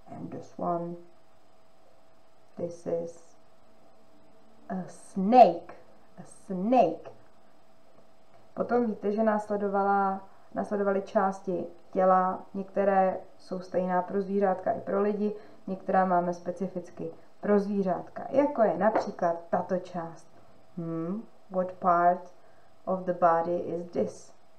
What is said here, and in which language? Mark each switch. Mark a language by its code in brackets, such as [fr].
[en] This one, this is a snake, a snake. [cs] Potom víte, že následovaly části těla, některé jsou stejná pro zvířátka i pro lidi, některá máme specificky pro zvířátka, jako je například tato část. [en] What part of the body is this?